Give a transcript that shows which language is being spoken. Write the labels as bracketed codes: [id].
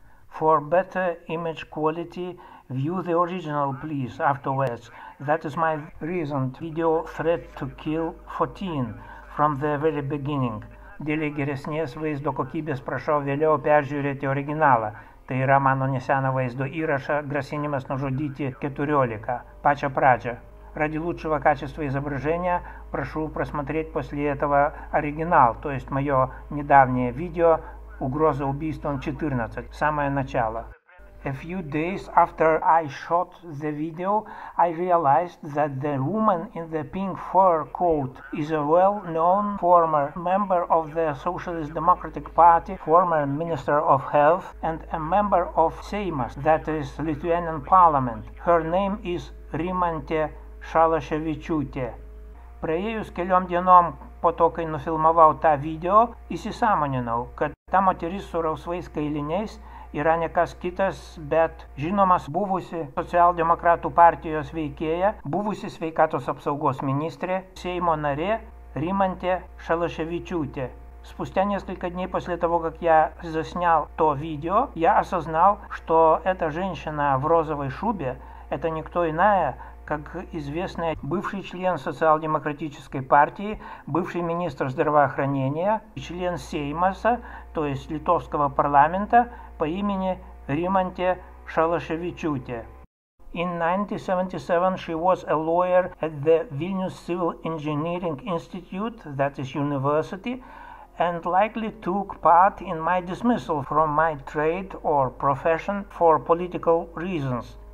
[en] For better image quality, view the original, please, afterwards. That is my recent video threat to kill 14 from the very beginning. [lt] Dėlei geresnės vaizdo kokybės prašau vėliau peržiūrėti originalą. Tai yra mano neseną vaizdo įrašą Grasinimas nužudyti 14, pačią pradžią. [ru] Ради лучшего качества изображения прошу просмотреть после этого оригинал, то есть мое недавнее видео «Угроза убийством 14», самое начало. [en] A few days after I shot the video, I realized that the woman in the pink fur coat is a well-known former member of the Socialist Democratic Party, former Minister of Health, and a member of Seimas, that is Lithuanian Parliament. Her name is Rimantė Šalaševičiūtė. [lt] Praėjus keliom dienom po to, kai nufilmavau tą video, įsisąmoninau, kad ta moteris su rausvais kailiniais yra nekas kitas, bet žinomas buvusi socialdemokratų partijos veikėja, buvusi sveikatos apsaugos ministrė, Seimo narė Rimantė Šalaševičiūtė. [ru] Спустя несколько дней после того, как я заснял то видео, я осознал, что эта женщина в розовой шубе – это никто иная, как известный бывший член социал-демократической партии, бывший министр здравоохранения, член Сеймаса, то есть литовского парламента, по имени Риманте Шалашевичюте. [en] In 1977, she was a lawyer at the Vilnius Civil Engineering Institute, that is university, and likely took part in my dismissal from my trade or profession for political reasons.